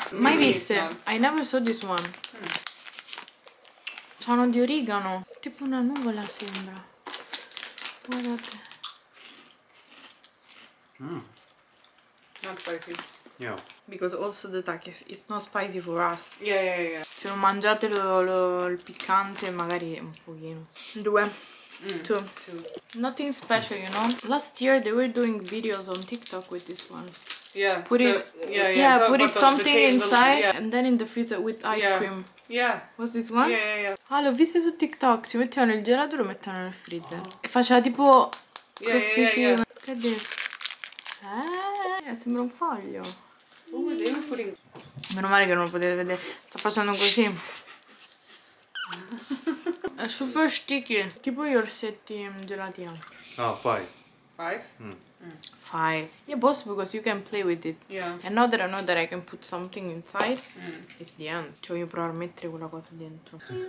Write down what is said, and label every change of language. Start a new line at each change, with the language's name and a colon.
English: Maybe it's the... I never saw this one. Mm.
Italian: Sono di origano. Tipo una nuvola, sembra. Guardate.
English: Not spicy. Yeah. Because also the tacchi, it's not spicy for us. Yeah, yeah, yeah.
Italian: Se non mangiate il piccante, magari un pochino. Due.
English: Two. Two. Nothing special, you know? Last year they were doing videos on TikTok with this one. Yeah. Put something inside and then in the freezer with ice cream. Yeah. What's this one? Yeah, yeah, yeah.
Italian: Ah, l'ho visto su TikTok. Si mettevano il gelato e lo mettevano nel freezer. E faceva tipo crosticino.
English: Yeah, yeah, yeah, yeah.
Italian: Che è? Sembra un foglio. Meno male che non lo potete vedere. Sta facendo così. È
English: super sticky.
Italian: Tipo gli orsetti gelatina.
English: Oh, five. Five? Five. Yeah, boss, because you can play with it. Yeah. And now that I know that I can put something inside, It's the end.
Italian: Ci voglio provare a mettere quella cosa dentro.